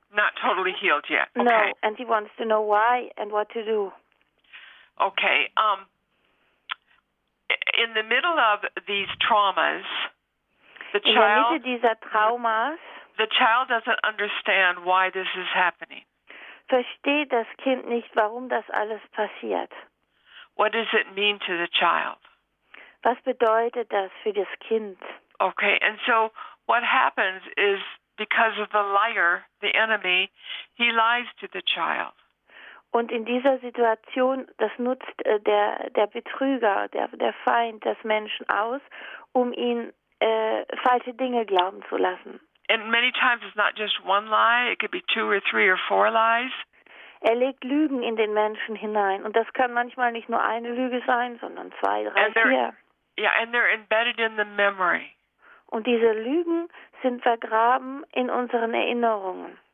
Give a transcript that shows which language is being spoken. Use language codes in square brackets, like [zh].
[en] Not totally healed yet. Okay. No, and he wants to know why and what to do. Okay. In the middle of these traumas, the child doesn't understand why this is happening. [de] Versteht das Kind nicht, warum das alles passiert. [en] What does it mean to the child? [de] Was bedeutet das für das Kind? [en] Okay, and so what happens is because of the liar, the enemy, he lies to the child. [de] Und in dieser Situation, das nutzt der Betrüger, der Feind des Menschen aus, um ihn falsche Dinge glauben zu lassen. [en] And many times it's not just one lie, it could be two or three or four lies. [de] Er legt Lügen in den Menschen hinein. Und das kann manchmal nicht nur eine Lüge sein, sondern zwei, drei, vier. [en] Yeah, and they're embedded in the memory. [de] Und diese Lügen sind vergraben in unseren Erinnerungen.